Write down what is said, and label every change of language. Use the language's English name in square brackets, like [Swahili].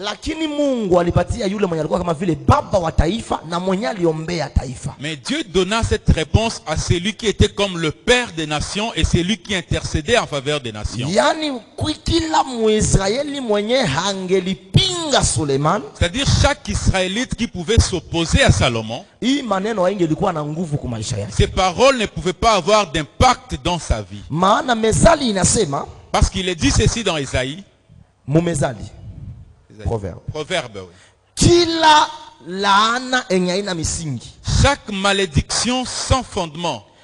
[Swahili] Lakini Mungu alipatia yule mwenye alikuwa kama vile baba wa taifa na mwenye aliombea taifa. [French] Mais Dieu donna cette réponse à celui qui était comme le père des nations et celui qui intercédait en faveur des nations. [Swahili] Yani, kila Mwisraeli mwenye hangelipinga Suleiman. [French] C'est-à-dire, chaque Israélite qui pouvait s'opposer à Salomon, [Swahili] hii maneno yake ilikuwa na nguvu kwa maisha yake. [French] Ces paroles ne pouvaient pas avoir d'impact dans sa vie. [Swahili] Maana mezali inasema, [French] parce qu'il est dit ceci dans Isaïe. [Swahili] Mumezali. Proverbe. [French] Proverbe, oui. [Swahili] Kila laana yenye ina misingi. [French] Chaque malédiction sans fondement.